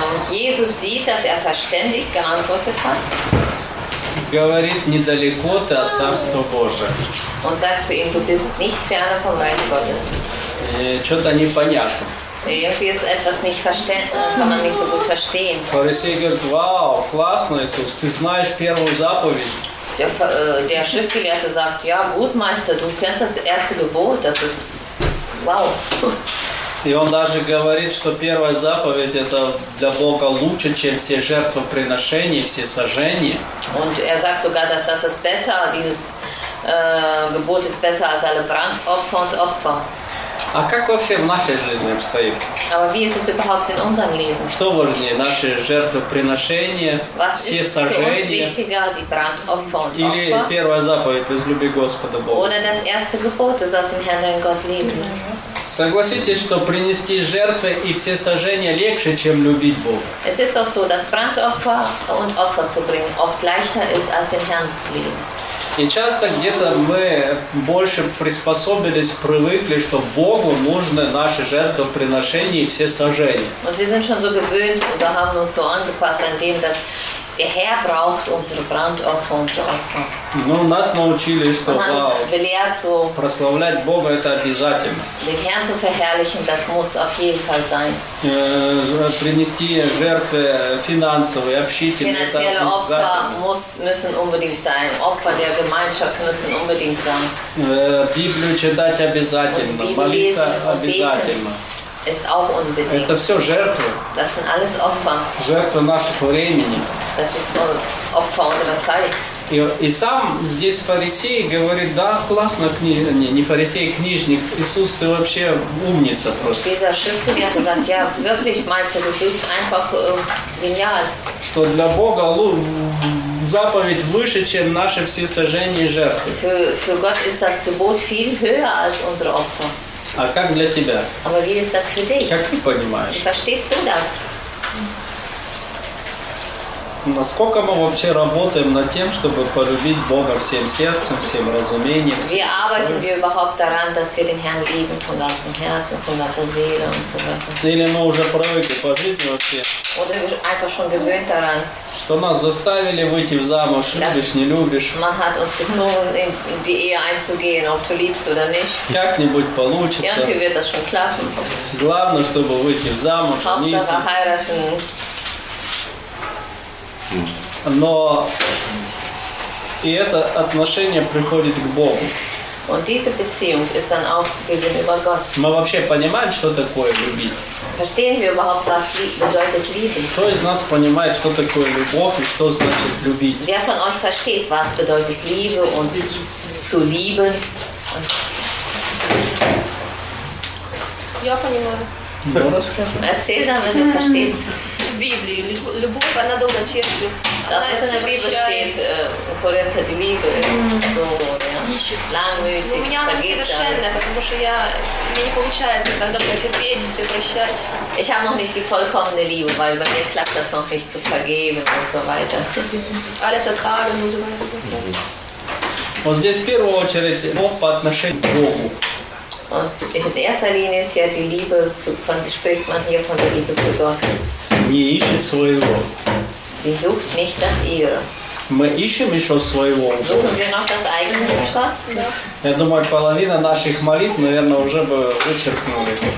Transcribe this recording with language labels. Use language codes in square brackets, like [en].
[de] Jesus sieht, dass er verständig geantwortet hat. [ru] Говорит, недалеко ты от Царства Божия. [de] Und sagt zu ihm, du bist nicht ferne vom Reich Gottes. [ru] Что-то непонятно. [de] Irgendwie ist etwas nicht verständlich, kann man nicht so gut verstehen. [ru] Фарисей говорит, вау, классно, Иисус, ты знаешь первую заповедь. [de] Der Schriftgelehrte sagt, ja, gut, Meister, du kennst das erste Gebot, das ist wow. [ru] И он даже говорит, что первая заповедь – это для Бога лучше, чем все жертвоприношения, все сожжения. [de] Und er sagt sogar, dass das ist besser, dieses Gebot ist besser als alle Brandopfer und Opfer. [ru] А как вообще в нашей жизни обстоит? [de] Aber wie ist es überhaupt in unserem Leben? [ru] Что важнее, наши жертвоприношения, [de] was [ru] все сожжения? [de] Was ist für uns wichtiger, die Brandopfer und Opfer? [ru] Или первая заповедь – возлюби Господа Бога? [de] Oder das erste Gebot, du sollst den Herrn, deinen Gott lieben. [ru] Согласитесь, что принести жертвы и все сожжения легче, чем любить Бога. [de] Es ist auch so, dass Brandopfer und Opfer zu bringen oft leichter ist, als den Herrn zu lieben. [ru] И часто где-то мы больше приспособились, привыкли, что Богу нужны наши жертвоприношения и все сожжения. [de] Und wir sind schon so gewöhnt und haben uns so angepasst an dem, dass der Herr braucht unsere Brandopfer und Opfer. [ru] Ну, нас научили, что [de] so, [ru] прославлять Бога – это обязательно. [de] Den Herrn zu verherrlichen, das muss auf jeden Fall sein. [ru] Принести жертвы финансовые, общительные – это обязательно. [de] Finanzielle Opfer müssen unbedingt sein. Opfer der Gemeinschaft müssen unbedingt sein. [ru] Библию читать обязательно, молиться обязательно. [de] Ist auch unbedingt. [ru] Это все жертвы. [de] Das sind alles Opfer. [ru] Жертвы нашего времени. [de] Das ist Opfer unserer Zeit. [ru] И сам здесь фарисей говорит, да, классно, не фарисей, книжник, Иисус, ты вообще умница просто. [de] Dieser Schriftgelehrte sagt, ja, wirklich, Meister, du bist einfach genial. [ru] Что для Бога заповедь выше, чем наши все сожжения и жертвы. [de] Für Gott ist das Gebot viel höher als unsere Opfer. [ru] А как для тебя? [de] Aber wie ist das für dich? [ru] Как ты понимаешь? [de] Verstehst du das? [ru] Насколько мы вообще работаем над тем, чтобы полюбить Бога всем сердцем, всем разумением? [de] Wie arbeiten wir überhaupt daran, dass wir den Herrn lieben von ganzem Herzen, von ganzer Seele und so weiter? [ru] Или мы уже привыкли по жизни вообще? [de] Oder wir einfach schon gewöhnt daran? [ru] Что нас заставили выйти в замуж, любишь, не любишь? [de] Man hat uns gezwungen, in die Ehe einzugehen, ob du liebst oder nicht? [ru] Как-нибудь получится? [de] Irgendwie wird das schon klappen. [ru] Главное, чтобы выйти в замуж, жениться. [de] Hauptsache heiraten. [ru] Но и это отношение приходит к Богу. [de] Und diese Beziehung ist dann auch gegenüber Gott. [ru] Мы вообще понимаем, что такое любить? [de] Verstehen wir überhaupt, was bedeutet lieben? [ru] Кто из нас понимает, что такое любовь и что значит любить? [de] Wer von euch versteht, was bedeutet Liebe und zu lieben? [ru] Я понимаю. [de] Erzähl dann, wenn du verstehst. Ich habe noch nicht die vollkommene Liebe, weil bei mir klappt das noch nicht zu vergeben und so weiter. Alles ertragen und so weiter. Und [ru] здесь в первую очередь Бог по отношению к Богу. [de] Und in erster Linie ist ja die Liebe zu, spricht man hier von der Liebe zu Gott. [ru] Не ищет своего. [de] Die sucht nicht das ihre. [ru] мы ищем еще своего Бога. Я думаю, половина наших молитв, наверное, уже бы вычеркнули.